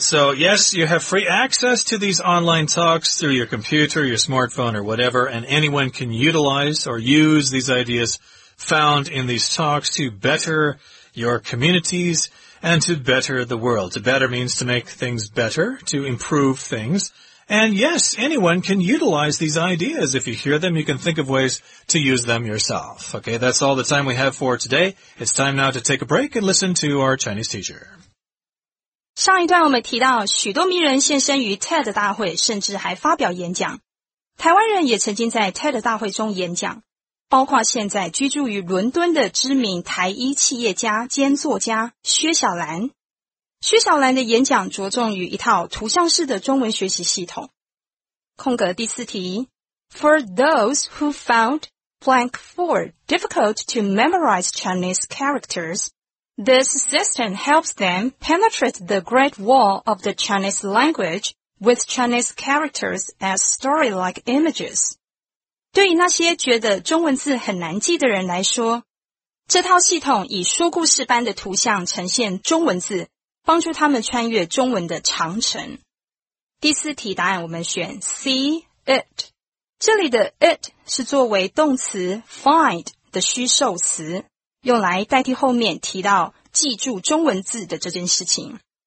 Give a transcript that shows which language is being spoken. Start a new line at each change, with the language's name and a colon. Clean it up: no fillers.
English: So, yes, you have free access to these online talks through your computer, your smartphone, or whatever, and anyone can utilize or use these ideas found in these talks to better your communities and to better the world. To better means to make things better, to improve things. And, yes, anyone can utilize these ideas. If you hear them, you can think of ways to use them yourself. Okay, that's all the time we have for today. It's time now to take a break and listen to our Chinese teacher.
Chinese: 上一段我们提到许多名人现身于 TED 大会，甚至还发表演讲。台湾人也曾经在 TED 大会中演讲，包括现在居住于伦敦的知名台裔企业家兼作家薛小兰。薛小兰的演讲着重于一套图像式的中文学习系统。
English: 空格第四题 For those who found blank four difficult to memorize Chinese characters,This system helps them penetrate the great wall of the Chinese language with Chinese characters as story-like images.
Chinese: 对于那些觉得中文字很难记的人来说，这套系统以说故事般的图像呈现中文字，帮助他们穿越中文的长城。第四题答案我们选 C, it。这里的 it 是作为动词 find 的虚受词，用来代替后面提到记住中文字的这件事情。